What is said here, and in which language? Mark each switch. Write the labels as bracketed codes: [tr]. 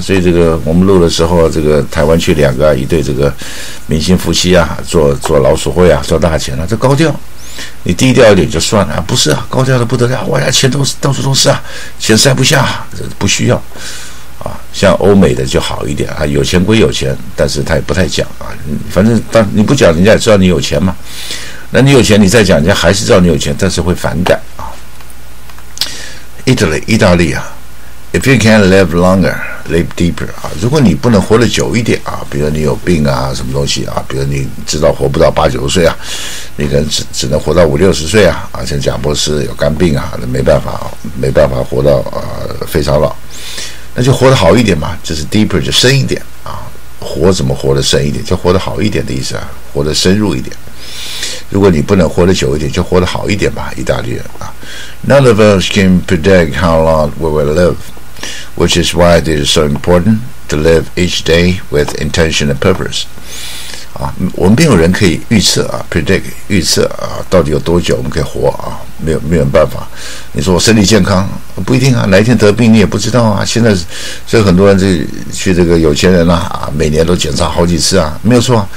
[zh] 所以这个我们录的时候，这个台湾去两个一对这个明星夫妻啊，做老鼠会啊，赚大钱了、啊。这高调，你低调一点就算了，不是啊，高调的不得了，我家钱都到处都是啊，钱塞不下，不需要啊。像欧美的就好一点啊，有钱归有钱，但是他也不太讲啊，反正当你不讲，人家也知道你有钱嘛。那你有钱，你再讲，人家还是知道你有钱，但是会反感啊。 Italy， 意大利啊。 [en] If you can't live longer, live deeper. [zh] 啊，如果你不能活得久一点啊，比如你有病啊，什么东西啊，比如你知道活不到八九十岁啊，你可能只能活到五六十岁啊。啊，像贾博士有肝病啊，那没办法，没办法活到非常老，那就活得好一点嘛，就是 deeper 就深一点啊，活怎么活得深一点，就活得好一点的意思啊，活得深入一点。如果你不能活得久一点，就活得好一点吧，意大利人啊。 [en] None of us can predict how long we will live, which is why it is so important to live each day with intention and purpose. [zh] 啊，我们没有人可以预测啊 ，predict 预测啊，到底有多久我们可以活啊？没有办法。你说我身体健康不一定啊，哪一天得病你也不知道啊。现在所以很多人去这个有钱人啊，每年都检查好几次啊，没有错啊。